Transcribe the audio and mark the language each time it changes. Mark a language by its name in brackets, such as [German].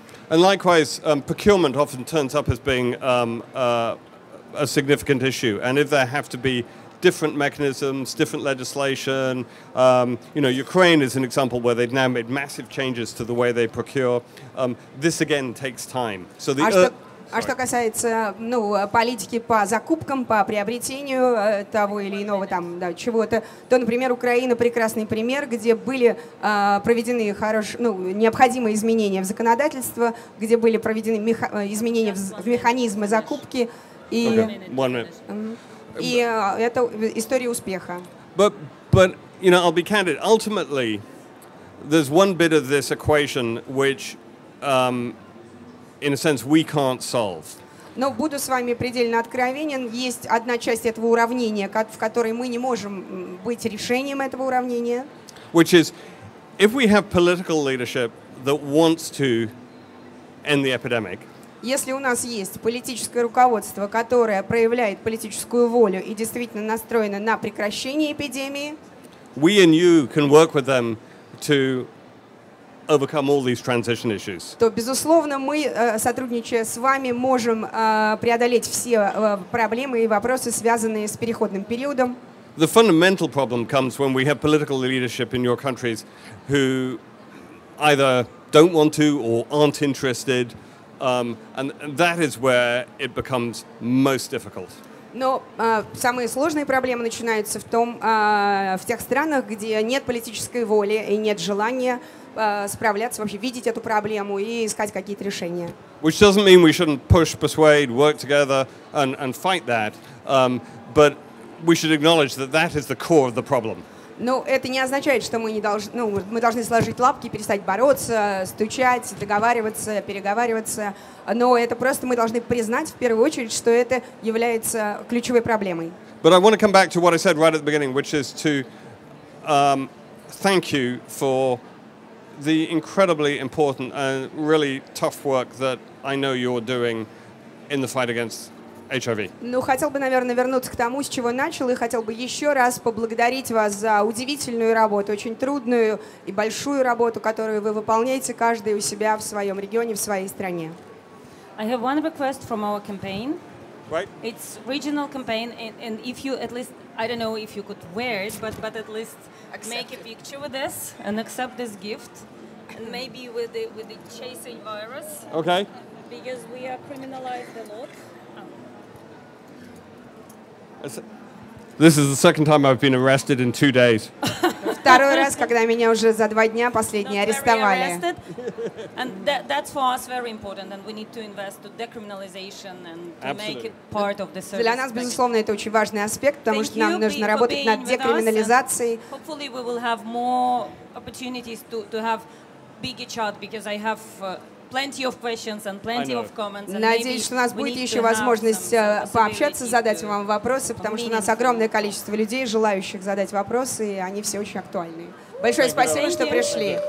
[English] And likewise, procurement often turns up as being a significant issue, and if there have to be different mechanisms, different legislation, you know, Ukraine is an example where they've now made massive changes to the way they procure. This again takes time. So the [Russian] А что касается, ну, политики по закупкам, по приобретению того или иного там, да, чего-то, то, например, Украина прекрасный пример, где были проведены необходимые изменения в законодательство, где были проведены изменения в механизмы закупки. И, [English] okay. One minute. [Russian] И это история успеха. [English] But you know, I'll be candid. Ultimately, there's one bit of this equation which, in a sense, we can't solve. [Russian] Но буду с вами предельно откровенен. Есть одна часть этого уравнения, в которой мы не можем быть решением этого уравнения. [English] Which is, if we have political leadership that wants to end the epidemic. [Russian] Если у нас есть политическое руководство, которое проявляет политическую волю и действительно настроено на прекращение эпидемии, [English] we and you can work with them to overcome all these transition issues. [Russian] То, безусловно, мы, сотрудничая с вами, можем преодолеть все проблемы и вопросы, связанные с переходным периодом. [English] The fundamental problem comes when we have political leadership in your countries who either don't want to or aren't interested. And that is where it becomes most difficult. [Russian] Но самые сложные проблемы начинаются в том, в тех странах, где нет политической воли и нет желания справляться, вообще видеть эту проблему и искать какие-то решения. [English] Which doesn't mean we shouldn't push, persuade, work together and fight that, but we should acknowledge that that is the core of the problem. [Russian] Но это не означает, что мы не должны, ну, мы должны сложить лапки, перестать бороться, стучать, договариваться, переговариваться. Но это просто мы должны признать в первую очередь, что это является ключевой проблемой. [English] But I want to come back to what I said right at the beginning, which is to thank you for the incredibly important and really tough work that I know you're doing in the fight against HIV. [Russian] Ну, хотел бы, наверное, вернуться к тому, с чего начал, и хотел бы еще раз поблагодарить вас за удивительную работу, очень трудную и большую работу, которую вы выполняете каждый у себя в своем регионе, в своей стране. [English] I have one request from our campaign. Right. It's regional campaign, and if you at least, I don't know if you could wear it, but at least accept make it. A picture with this and accept this gift, and maybe with the chasing virus. Okay. Because we are criminalized a lot. This is the second time I've been arrested in 2 days. [Russian] Второй раз, когда меня уже за два дня последние арестовали. [English] And that's for us very important, and we need to invest to decriminalization and to make it part of the service. [Russian] Для нас, безусловно, это очень важный аспект, потому что нам нужно работать над декриминализацией. [English] Hopefully we will have more opportunities to have bigger chat, because I have plenty of questions and plenty of comments. [Russian] Надеюсь, что у нас будет еще возможность пообщаться, задать вам вопросы, потому что у нас огромное количество людей, желающих задать вопросы, и они все очень актуальны. Большое спасибо, что пришли.